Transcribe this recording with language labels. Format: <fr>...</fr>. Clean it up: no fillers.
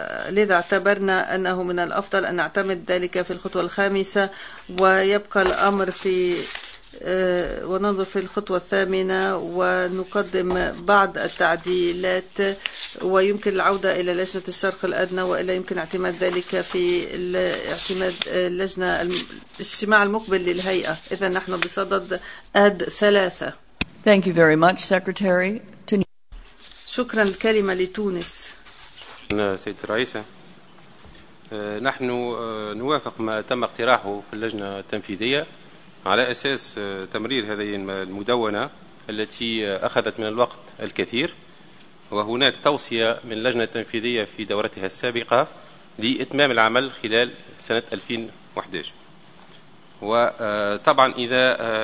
<ar>لذا اعتبرنا أنه من الأفضل أن نعتمد ذلك في الخطوة 5 ويبقى الأمر في وننظر في الخطوة 8 ونقدم بعض التعديلات ويمكن العودة إلى لجنة الشرق الأدنى وإلا يمكن اعتماد ذلك في اعتماد لجنة الاجتماع المقبل للهيئة إذا نحن بصدد أد 3</ar> <en>Thank you very much, Secretary.</en> <ar>شكرا الكلمة لتونس سيد الرئيسة نحن نوافق ما تم اقتراحه في اللجنة التنفيذية على أساس تمرير هذه المدونة التي أخذت من الوقت الكثير وهناك توصية من اللجنة التنفيذية في دورتها السابقة لإتمام العمل خلال سنة 2011 وطبعا إذا</ar>